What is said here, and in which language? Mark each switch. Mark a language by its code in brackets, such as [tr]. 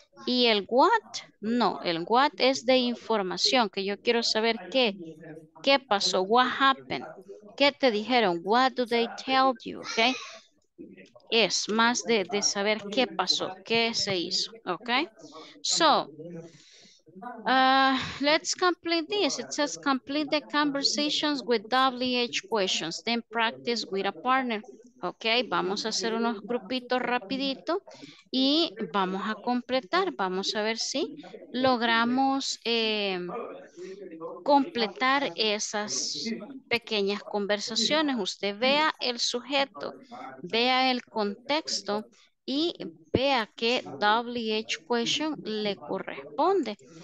[es] Y el what, no, el what es de información, que yo quiero saber qué, qué pasó, [en] what happened, [es] qué te dijeron, [en] what do they tell you, [es] ok. Es más de saber qué pasó, qué se hizo, ok. [en] So, let's complete this. It says complete the conversations with WH questions, then practice with a partner. [es] Ok, vamos a hacer unos grupitos rapidito y vamos a completar. Vamos a ver si logramos completar esas pequeñas conversaciones. Usted vea el sujeto, vea el contexto y vea qué WH question le corresponde.